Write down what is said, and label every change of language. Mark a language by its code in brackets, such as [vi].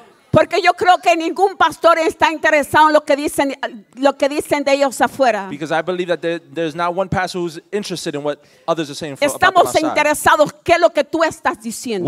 [es] Porque yo creo que ningún pastor está interesado en lo que dicen de ellos afuera. [en] Because I believe that there's not one pastor who's interested in what others are saying about [es] estamos interesados qué es lo que tú estás diciendo.